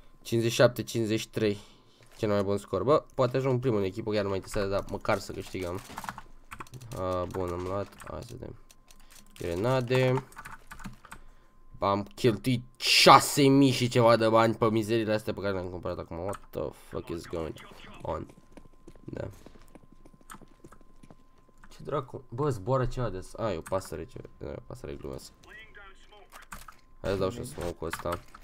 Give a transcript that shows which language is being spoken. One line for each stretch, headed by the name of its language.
Romanian: 57-53. Cel mai bun scor. Bă, poate ajung primul în echipă, chiar nu mă interesează, dar măcar să câștigăm. Bun, am luat. Hai să vedem. Grenade. Am cheltuit 6000 și ceva de bani pe mizeriile astea pe care le-am cumpărat acum.
English: What the fuck is going on?
Romanian: Da. Ce dracu? Bă, zboară ceva de asta. Ah, e o pasăre ceva. E o pasăre glumesc. Hai să dau și-o smoke-ul ăsta.